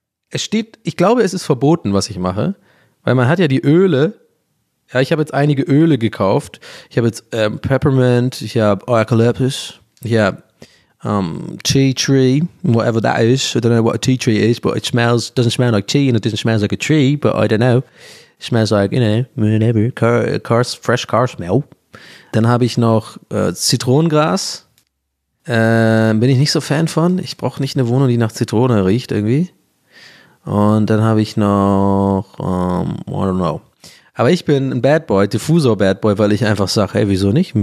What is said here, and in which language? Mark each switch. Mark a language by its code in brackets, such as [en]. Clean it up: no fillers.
[de] Es steht, ich glaube, es ist verboten, was ich mache. Weil man hat ja die Öle. Ja, ich habe jetzt einige Öle gekauft. Ich habe jetzt Peppermint, ich habe Eucalyptus, ich habe Tea Tree, [en] whatever that is. I don't know what a tea tree is, but it smells, doesn't smell like tea and it doesn't smell like a tree, but I don't know. It smells like, you know, whatever, fresh car smell. [de] Dann habe ich noch Zitronengras. Bin ich nicht so Fan von. Ich brauche nicht eine Wohnung, die nach Zitrone riecht irgendwie. Und dann habe ich noch, [en] I don't know. [de] Aber ich bin ein Bad Boy, Diffusor Bad Boy, weil ich einfach sage, hey, wieso nicht?